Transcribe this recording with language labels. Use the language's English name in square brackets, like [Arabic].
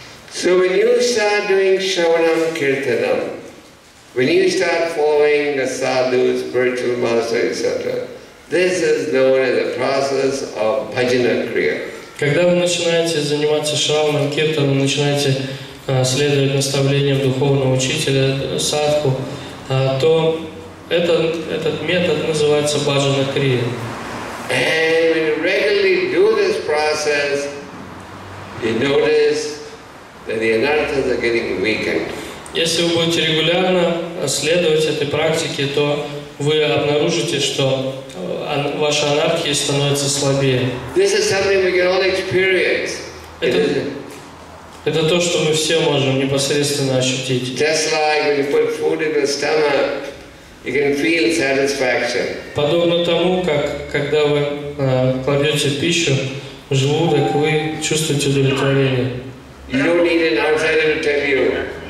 [English] So when you start doing shravanam kirtanam, when you start following the sadhu, spiritual master, etc., this is known as the process of bhajana kriya. [Russian] Когда вы начинаете заниматься шраванам киртанам, начинаете следовать наставлениям духовного учителя, садху, то этот метод называется баджана крия. [English] And when you regularly do this process, you notice that the anarthas are getting weakened. [Russian] Если вы будете регулярно следовать этой практике, то вы обнаружите, что ваша анархия становится слабее. [English] This is something we can all experience. [Russian] Это то, что мы все можем непосредственно ощутить. [English] Just like when you put food in the stomach, you can feel satisfaction. [Russian] Подобно тому, как когда вы кладете пищу в желудок, вы чувствуете удовлетворение. [English] You don't need an outsider to tell you.